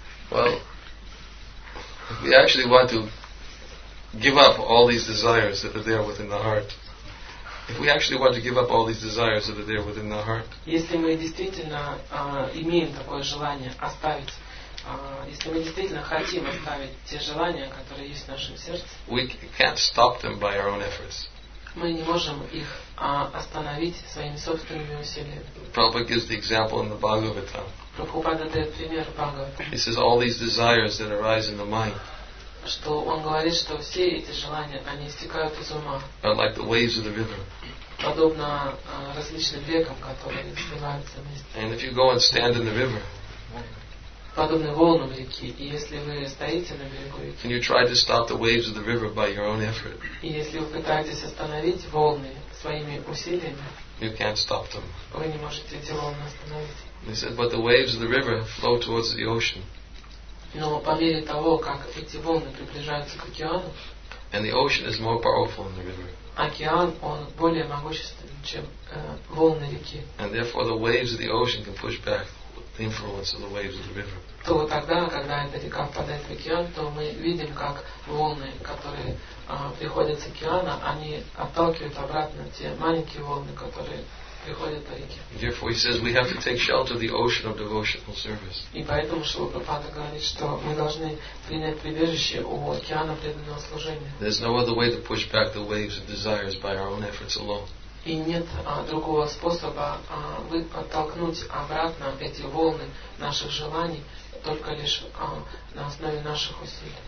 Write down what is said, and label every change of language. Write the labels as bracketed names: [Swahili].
[English] Well, if we actually want to give up all these desires that are there within the heart. If we actually want to give up all these desires that are there within the heart. [Russian] Если мы действительно имеем такое желание оставить, если мы действительно хотим оставить те желания, которые есть в нашем сердце. [English] We can't stop them by our own efforts. [Russian] Мы не можем их остановить своими собственными усилиями. [English] Prabhupada gives the example in the Bhagavatam. [Russian] Прабхупада дает пример в Бхагаватам. [English] He says all these desires that arise in the mind. [Russian] что он говорит, что все эти желания, они истекают из ума. [English] Like the waves of the river. [Russian] Подобно различным рекам, которые сливаются вместе. [English] And if you go and stand in the river, [Russian] подобно волнам реки, и если вы стоите на берегу реки, [English] and you try to stop the waves of the river by your own effort, [Russian] и если вы пытаетесь остановить волны своими усилиями, [English] you can't stop them. [Russian] Вы не можете эти волны остановить. [English] He said, but the waves of the river flow towards the ocean. [Russian] Но по мере того, как эти волны приближаются к океану, [English] and the ocean is more powerful than the river. [Russian] Океан, он более могущественный, чем волны реки. [English] And therefore the waves of the ocean can push back the influence of the waves of the river. [Russian] То тогда, когда эта река впадает в океан, то мы видим, как волны, которые приходят с океана, они отталкивают обратно те маленькие волны, которые приходят по реке. [English] Therefore, he says, we have to take shelter of the ocean of devotional service. [Russian] И поэтому Шрила Прабхупада говорит, что мы должны принять прибежище у океана преданного служения. [English] There's no other way to push back the waves of desires by our own efforts alone. [Russian] И нет другого способа подтолкнуть обратно эти волны наших желаний только лишь на основе наших усилий.